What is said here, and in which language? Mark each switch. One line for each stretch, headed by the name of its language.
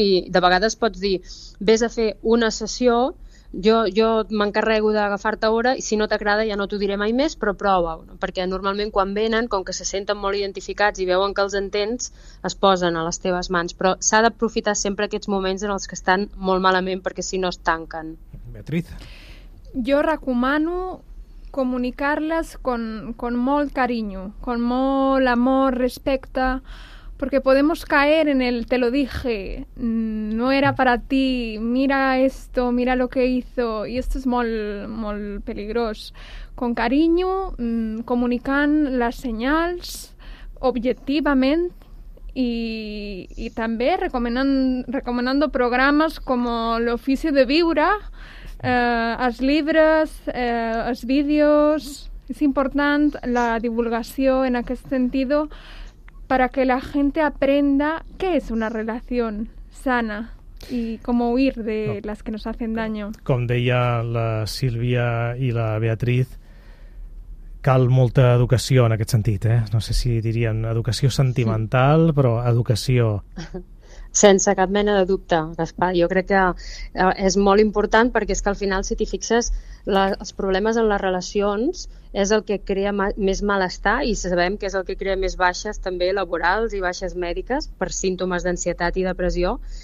Catalan: I de vegades pots dir, vés a fer una sessió, jo m'encarrego d'agafar-te hora i si no t'agrada ja no t'ho diré mai més, però prova-ho, no? Perquè normalment quan venen, com que se senten molt identificats i veuen que els entens, es posen a les teves mans, però s'ha d'aprofitar sempre aquests moments en els que estan molt malament, perquè si no es tanquen. Beatriz. Jo recomano comunicar-les
Spanish: con
Catalan: molt cariño,
Spanish: con
Catalan: molt amor, respecte,
Spanish: porque podemos caer en el te lo dije, no era para ti, mira esto, mira lo que hizo, y esto es muy, muy peligroso. Con cariño, comunican las señales objetivamente y también recomendando programas como El oficio de viure, los libros, los vídeos. Es importante la divulgación en aquel sentido, para que la gente aprenda qué es una relación sana y cómo huir de las que nos hacen daño.
Catalan: Com deia la Sílvia i la Beatriz, cal molta educació en aquest sentit, eh? No sé si dirien educació sentimental, però educació... Sense cap mena de dubte, Gaspar. Jo crec que és molt important, perquè és que al final, si t'hi fixes, els problemes en les relacions és el que crea més malestar, i sabem que és el que crea més baixes també laborals i baixes mèdiques per símptomes d'ansietat i depressió.